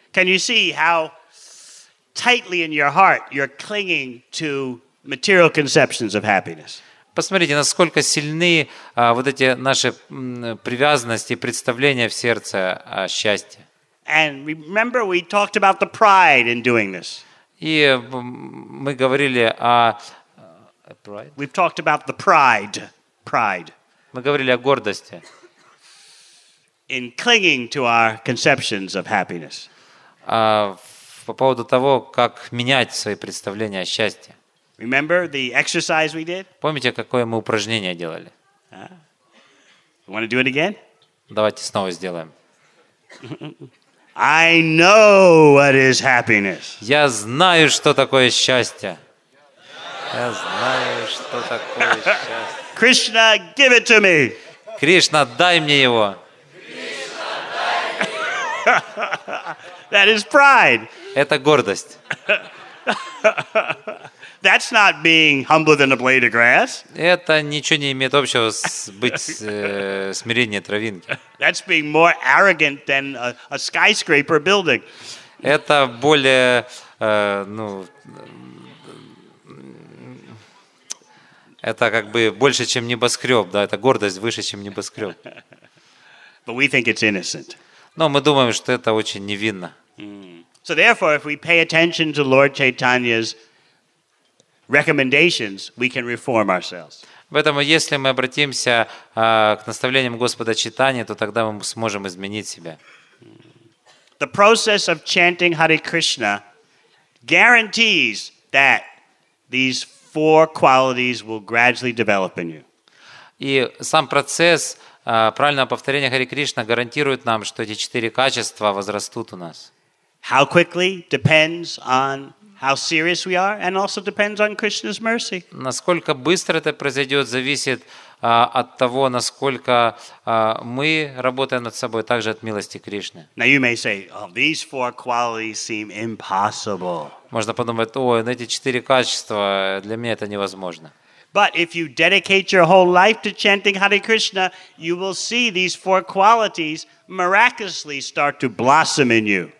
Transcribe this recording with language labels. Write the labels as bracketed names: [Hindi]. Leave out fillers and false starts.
[English] Can you see how tightly in your heart you're clinging to material conceptions of happiness? [Russian] Посмотрите, насколько сильны вот эти наши привязанности, представления в сердце о счастье. [English] And remember, we talked about the pride in doing this. [Russian] И мы говорили о [English] pride. We've talked about the pride. Pride. [Russian] Мы говорили о гордости. [English] In clinging to our conceptions of happiness. [Russian] По поводу того, как менять свои представления о счастье. [English] Remember the exercise we did? [Russian] Помните, какое мы упражнение делали? [English] Want to do it again? [Russian] Давайте снова сделаем. [English] I know what is happiness. [Russian] Я знаю, что такое счастье. Я знаю, что такое счастье. [English] Krishna, give it to me. [Russian] Кришна, дай мне его. [English] That is pride. [Russian] Это гордость. [English] That's not being humbler than a blade of grass. [Russian] Это ничего не имеет общего с быть смиреннее травинки. [English] That's being more arrogant than a skyscraper building. [Russian] Это более это как бы больше, чем небоскреб, да? Это гордость выше, чем небоскреб. [English] But we think it's innocent. [Russian] Но мы думаем, что это очень невинно. [English] So therefore, if we pay attention to Lord Chaitanya's recommendations, we can reform ourselves. [Russian] Поэтому, если мы обратимся к наставлениям Господа Чайтаньи, то тогда мы сможем изменить себя. [English] The process of chanting Hare Krishna guarantees that these four qualities will gradually develop in you. [Russian] И сам процесс правильного повторения Хари Кришна гарантирует нам, что эти четыре качества возрастут у нас. [English] How quickly depends on how serious we are, and also depends on Krishna's mercy. [Russian] Насколько быстро это произойдет, зависит от того, насколько мы работаем над собой, также от милости Кришны. [English] Now you may say, oh, these four qualities seem impossible. [Russian] Можно подумать, ой, эти четыре качества для меня это невозможно. [English] But if you dedicate your whole life to chanting Hare Krishna, you will see these four qualities miraculously start to blossom in you.